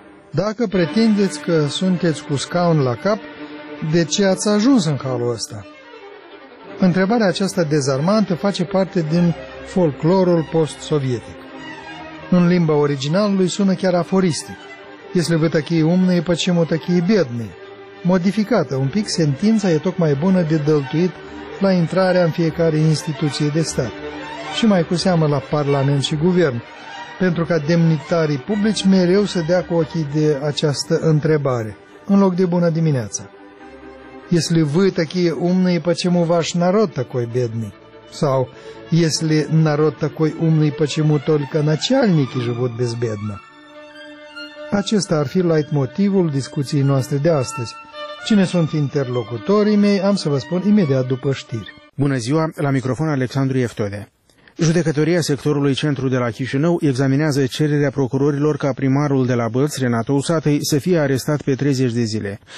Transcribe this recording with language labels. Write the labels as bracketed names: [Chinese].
[Romanian] Dacă pretindeți că sunteți cu scaun la cap, de ce ați ajuns în halul ăsta? Întrebarea aceasta dezarmantă face parte din folclorul post-sovietic. În limba originalului sună chiar aforistic. [Russian] Если вы такие умные, почему такие бедные? [Romanian] Modificată un pic, sentința e tocmai bună de dăltuit la intrarea în fiecare instituție de stat. Și mai cu seamă la parlament și guvern, pentru ca demnitarii publici mereu să dea cu ochii de această întrebare, în loc de bună dimineața. [Russian] Если вы такие умные, почему ваш народ такой бедный? Sau, если народ такой умный, почему только начальники живут безбедно? [Romanian] Acesta ar fi leitmotivul discuției noastre de astăzi. Cine sunt interlocutorii mei, am să vă spun imediat după știri. Bună ziua, la microfon Alexandru Ieftode. Judecătoria sectorului centru de la Chișinău examinează cererea procurorilor ca primarul de la Bălți, Renato Usatăi, să fie arestat pe 30 de zile.